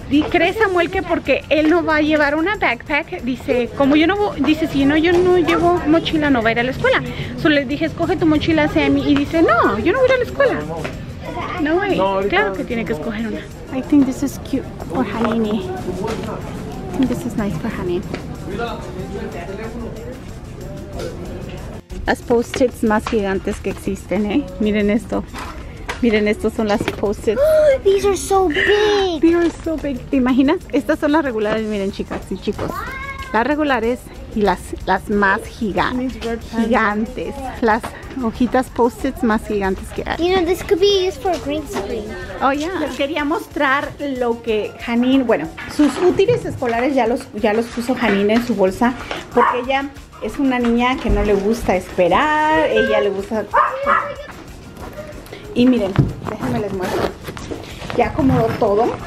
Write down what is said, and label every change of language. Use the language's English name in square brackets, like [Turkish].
[Spanish] ¿Crees, Samuel, que porque él no va a llevar una backpack? Dice, como yo no voy, dice, si no, yo no llevo mochila, no va a ir a la escuela. Solo le dije, escoge tu mochila, Sammy. Y dice, no, yo no voy a ir a la escuela. [English] No way. [Spanish] Claro que tiene que escoger una. [English] I think this is cute for Hanini. I think this is nice for Hanini. [Spanish] Las post-its más gigantes que existen, ¿eh? Miren esto. Miren, estos son las post-its. [English] These are so big. They are so big. [Spanish] ¿Te imaginas? Estas son las regulares, miren, chicas y chicos. Las regulares y las más gigantes. Las hojitas post-its más gigantes que hay. [English] You know, this could be used for a green screen. Oh, yeah. [Spanish] Les quería mostrar lo que Janine, bueno, sus útiles escolares ya los puso Janine en su bolsa porque ella es una niña que no le gusta esperar, ella le gusta... Y miren, déjenme les muestro. Ya acomodó todo.